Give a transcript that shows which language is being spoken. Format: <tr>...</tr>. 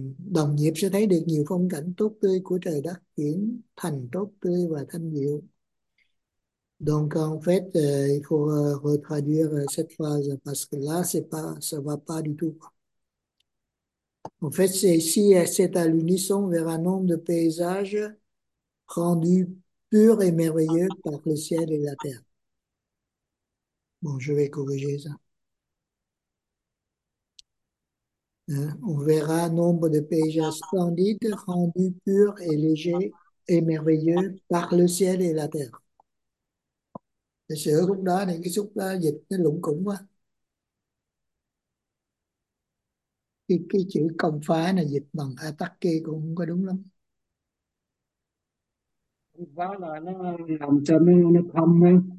<vi>Đồng nghiệp sẽ thấy được nhiều phong cảnh tốt tươi của trời đất chuyển thành tốt tươi và thanh diệu.</vi> <fr>Donc en fait, il faut retraduire cette phrase parce que là, c'est pas, ça va pas du tout. En fait, c'est ici, c'est à l'unisson, on verra un nombre de paysages rendu pur et merveilleux par le ciel et la terre. Bon, je vais corriger ça. Hein? On verra nombre de paysages splendides rendus purs et légers et merveilleux par le ciel et la terre.</fr> <vi>Thật sự lúc đó này cái xúc đó dịch nó lủng củng quá. Cái chữ công phá này dịch bằng atake cũng không có đúng lắm. Vá là nó làm cho nó không ấy.</vi>